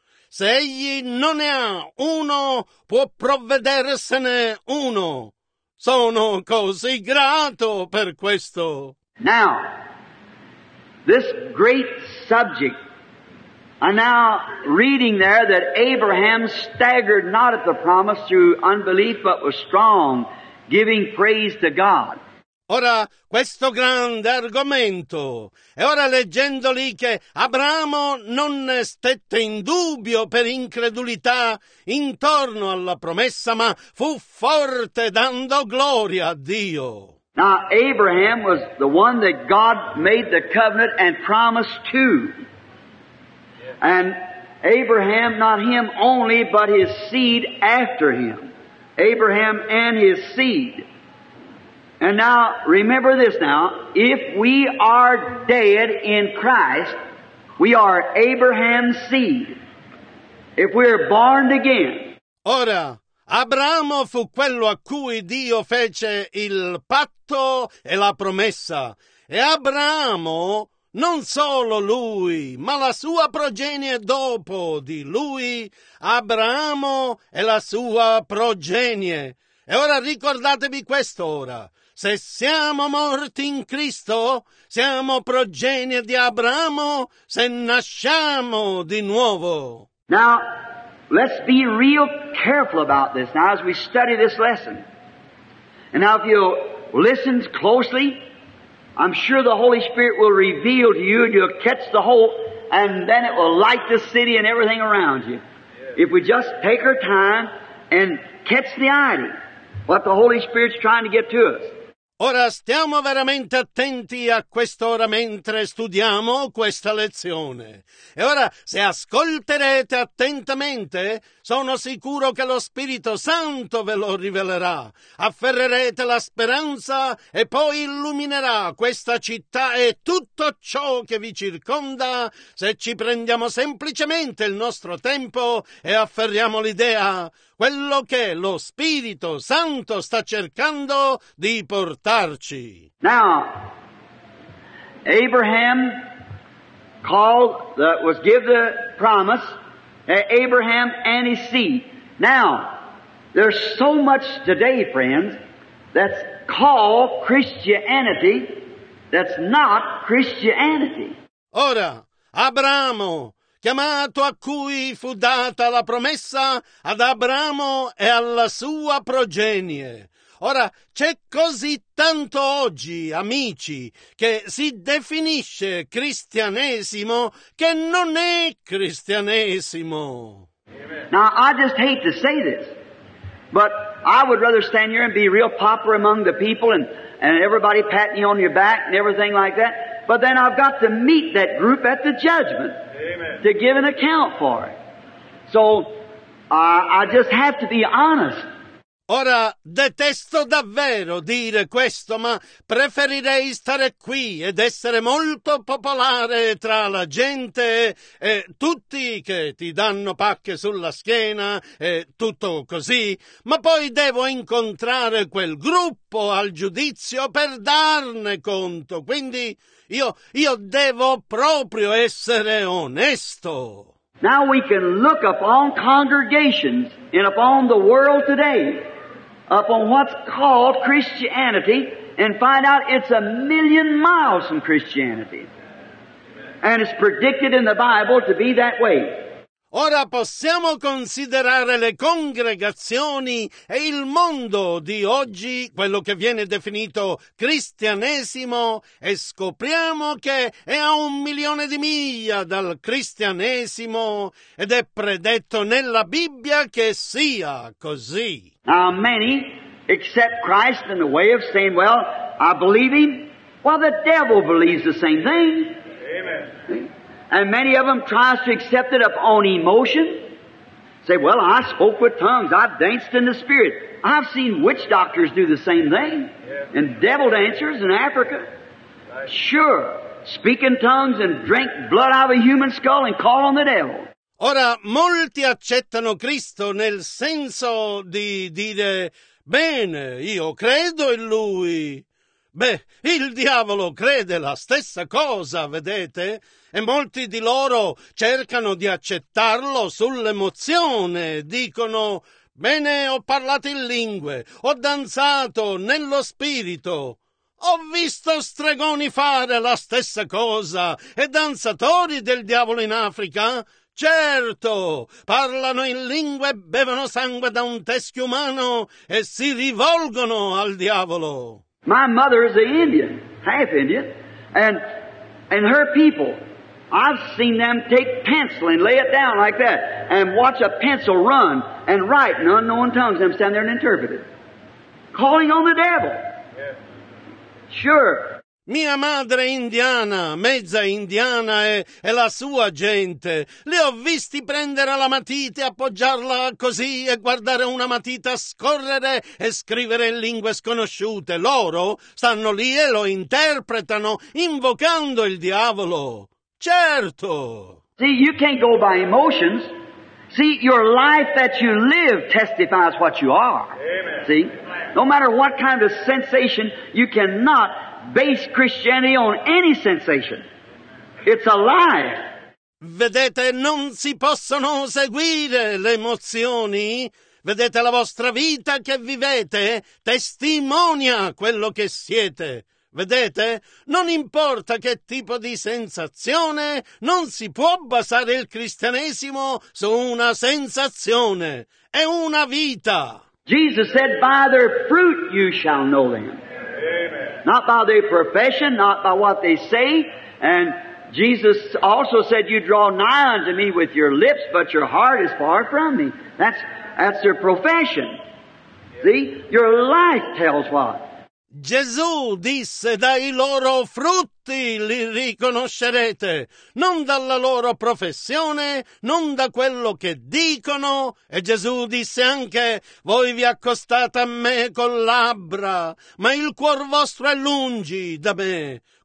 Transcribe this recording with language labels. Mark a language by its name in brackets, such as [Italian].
[Italian] Se egli non ne ha uno, può provvedersene uno. Sono così grato per questo. [English] Now, this great subject, and now reading there that Abraham staggered not at the promise through unbelief, but was strong, giving praise to God. [Italian] Ora, questo grande argomento, e ora leggendo lì che Abramo non stette in dubbio per incredulità intorno alla promessa, ma fu forte dando gloria a Dio. [English] Now, Abraham was the one that God made the covenant and promised to. And Abraham, not him only, but his seed after him. Abraham and his seed. And now, remember this now, if we are dead in Christ, we are Abraham's seed. If we are born again. [Italian] Ora, Abramo fu quello a cui Dio fece il patto e la promessa. E Abramo non solo lui, ma la sua progenie dopo di lui, Abramo e la sua progenie. E ora ricordatevi questo ora. Se siamo morti in Cristo, siamo progenie di Abramo, se nasciamo di nuovo. [English] Now, let's be real careful about this now as we study this lesson. And now if you listen closely, I'm sure the Holy Spirit will reveal to you and you'll catch the whole, and then it will light the city and everything around you. If we just take our time and catch the idea, what the Holy Spirit's trying to get to us. [Italian] Ora stiamo veramente attenti a quest'ora mentre studiamo questa lezione. E ora, se ascolterete attentamente, sono sicuro che lo Spirito Santo ve lo rivelerà. Afferrerete la speranza e poi illuminerà questa città e tutto ciò che vi circonda se ci prendiamo semplicemente il nostro tempo e afferriamo l'idea. Quello che lo Spirito Santo sta cercando di portarci. [English] Now, Abraham called, was given the promise, Abraham and his seed. Now, there's so much today, friends, that's called Christianity, that's not Christianity. [Italian] Ora, Abramo, chiamato a cui fu data la promessa ad Abramo e alla sua progenie. Ora, c'è così tanto oggi, amici, che si definisce cristianesimo che non è cristianesimo. [English] Now, I just hate to say this, but I would rather stand here and be real popular among the people and everybody patting you on your back and everything like that, but then I've got to meet that group at the judgment. Amen. To give an account for it. So, I just have to be honest. [Italian] Ora, detesto davvero dire questo, ma preferirei stare qui ed essere molto popolare tra la gente e tutti che ti danno pacche sulla schiena e tutto così, ma poi devo incontrare quel gruppo al giudizio per darne conto, quindi io devo proprio essere onesto. [English] Now we can look upon congregations and upon the world today, upon what's called Christianity, and find out it's a million miles from Christianity. And it's predicted in the Bible to be that way. [Italian] Ora possiamo considerare le congregazioni e il mondo di oggi, quello che viene definito cristianesimo, e scopriamo che è a un milione di miglia dal cristianesimo ed è predetto nella Bibbia che sia così. [English] Now many accept Christ in the way of saying, well, I believe him. Well, the devil believes the same thing. Amen. And many of them tries to accept it upon emotion. Say, well, I spoke with tongues. I've danced in the spirit. I've seen witch doctors do the same thing. Yeah. And devil dancers in Africa. Right. Sure. Speak in tongues and drink blood out of a human skull and call on the devil. [Italian] Ora, molti accettano Cristo nel senso di dire, bene, io credo in Lui. Beh, il diavolo crede la stessa cosa, vedete? E molti di loro cercano di accettarlo sull'emozione. Dicono, bene, ho parlato in lingue, ho danzato nello spirito. Ho visto stregoni fare la stessa cosa e danzatori del diavolo in Africa. Certo, parlano in lingue, bevono sangue da un teschio umano e si rivolgono al diavolo. [English] My mother is an Indian, half Indian, and her people, I've seen them take pencil and lay it down like that and watch a pencil run and write in unknown tongues and stand there and interpret it, calling on the devil. Sure. [Italian] Mia madre indiana, mezza indiana e la sua gente, li ho visti prendere la matita e appoggiarla così e guardare una matita scorrere e scrivere in lingue sconosciute. Loro stanno lì e lo interpretano invocando il diavolo. Certo! [English] See, you can't go by emotions. See, your life that you live testifies what you are. Amen. See? No matter what kind of sensation, you cannot base Christianity on any sensation. Right. It's a lie. [Italian] Vedete, non si possono seguire le emozioni. Vedete, la vostra vita che vivete testimonia quello che siete. Vedete? Non importa che tipo di sensazione, non si può basare il cristianesimo su una sensazione. È una vita. [English] Jesus said, by their fruit you shall know them. Amen. Not by their profession, not by what they say. And Jesus also said, you draw nigh unto me with your lips, but your heart is far from me. That's their profession. See? Your life tells what. [Italian] Gesù disse, dai loro frutti li riconoscerete, non dalla loro professione, non da quello che dicono. E Gesù disse anche, voi vi accostate a me con labbra, ma il cuor vostro è lungi da me.